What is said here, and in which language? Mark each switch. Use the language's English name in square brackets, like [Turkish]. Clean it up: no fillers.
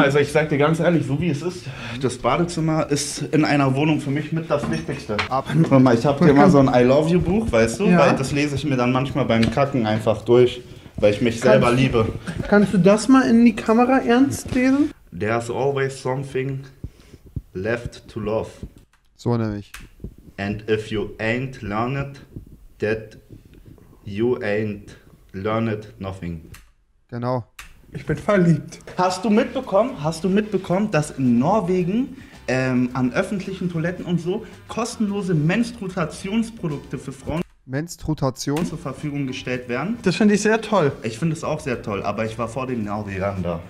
[German] Also ich sag dir ganz ehrlich, so wie es ist, das Badezimmer ist in einer Wohnung für mich mit das Wichtigste. Warte mal, ich habe hier immer so ein [English] I love you [German] Buch, weißt du? Ja. Weil das lese ich mir dann manchmal beim Kacken einfach durch, weil ich mich selber liebe. Kannst du das mal in die Kamera ernst lesen? [English] There's always something left to love. [German] So nämlich. [English] And if you ain't learned that, you ain't learned nothing. [German] Genau. Ich bin verliebt. Hast du mitbekommen, dass in Norwegen an öffentlichen Toiletten und so kostenlose Menstruationsprodukte für Frauen zur Verfügung gestellt werden? Das finde ich sehr toll. Ich finde es auch sehr toll, aber ich war vor den Norwegern da.